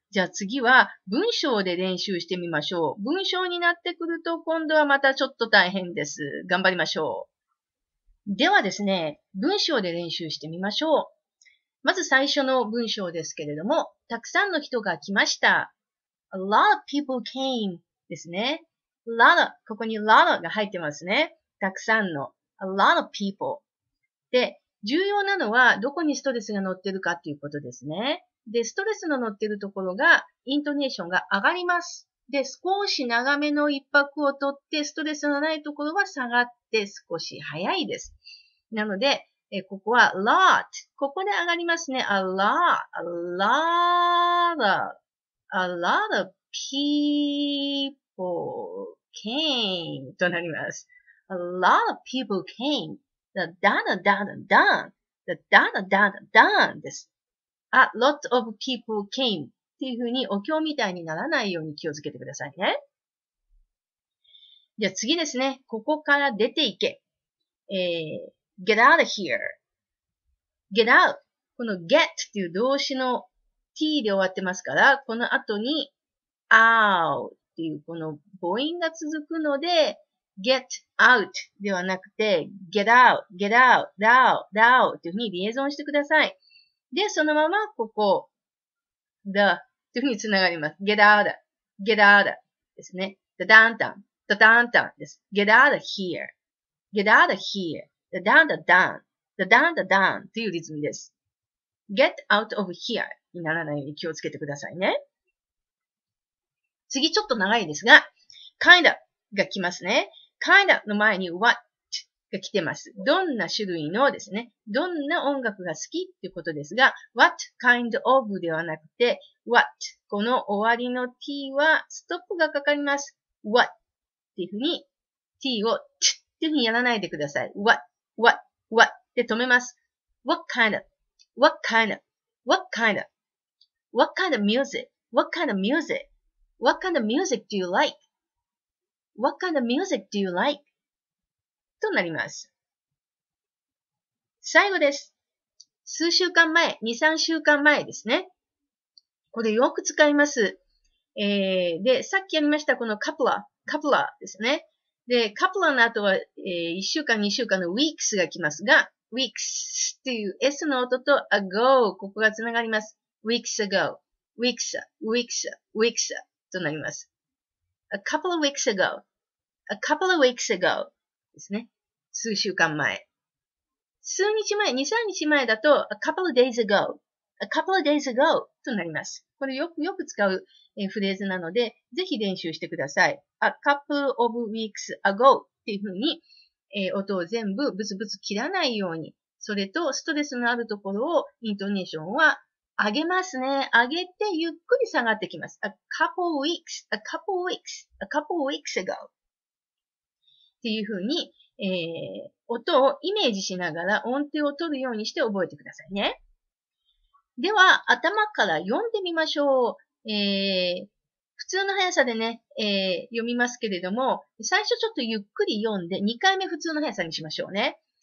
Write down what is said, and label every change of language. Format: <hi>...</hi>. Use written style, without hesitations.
<ja>じゃあ次は文章で練習してみましょう。文章になってくると今度はまたちょっと大変です。頑張りましょう。ではですね、文章で練習してみましょう。まず最初の文章ですけれども、たくさんの人が来ました。</ja> <en>A lot of people came</en> <ja>ですね。 Lot of、 ここに lot of が入ってますね。たくさんの、</ja> <en>a lot of people.</en> <ja>で、重要なのは、どこにストレスが乗ってるかっていうことですね。で、ストレスの乗ってるところが、イントネーションが上がります。で、少し長めの一拍をとって、ストレスのないところは下がって、少し早いです。なので、ここは lot。ここで上がりますね。</ja> <en>a lot, a lot of, a lot of people came</en> <ja>となります。</ja> <en>A lot of people came. The dada dada done. The dada dada done</en> <ja>です。</ja> <en>A lot of people came</en> <ja>っていう風にお経みたいにならないように気をつけてくださいね。じゃあ次ですね。ここから出ていけ。</ja> <en>Get out of here. Get out.</en> <ja>この get っていう動詞の t で終わってますから、この後に out っていうこの母音が続くので、get out ではなくて get out, get out, out, out というふうにリエゾンしてください。で、そのままここ the というふうにつながります。</ja> <en>get out, get out</en> <ja>ですね。</ja> <en>the downtown, the downtown</en> <ja>です。</ja> <en>get out of here, get out of here, the down, the down, the down, the down というリズムです。</en> <ja>get out of here にならないように気をつけてくださいね。次ちょっと長いですが kind of が来ますね。 kinda の前に what が来てます。どんな種類のですね、どんな音楽が好きっていうことですが、what kind of ではなくて、what この終わりの t はストップがかかります。 what っていうふうに t をっていうふうにやらないでください。</ja> <en>what, what, what</en> <ja>で止めます。</ja> <en>what kind of, what kind of, what kind of, what kind of music, what kind of music, what kind of music do you like? What kind of music do you like?</en> <ja>となります。最後です。数週間前、2、3週間前ですね。これよく使います。で、さっきやりましたこのカプラ、カプラですね。で、カプラの後は、1週間、2週間の weeks が来ますが、weeks っていう S の音と ago、ここがつながります。</ja> <en>weeks ago, weeks, weeks, weeks となります。 A couple of weeks ago, a couple of weeks ago</en> <ja>ですね。数週間前。数日前、2、3日前だと、</ja> <en>a couple of days ago, a couple of days ago</en> <ja>となります。これよく使うフレーズなので、ぜひ練習してください。</ja> <en>a couple of weeks ago</en> <ja>っていうふうに、音を全部ブツブツ切らないように、それとストレスのあるところをイントネーションは上げますね。上げてゆっくり下がってきます。</ja> <en>A couple of weeks, a couple of weeks, a couple of weeks ago.</en> <ja>っていう風に、音をイメージしながら音程を取るようにして覚えてくださいね。では、頭から読んでみましょう。普通の速さでね、読みますけれども、最初ちょっとゆっくり読んで、2回目普通の速さにしましょうね。</ja>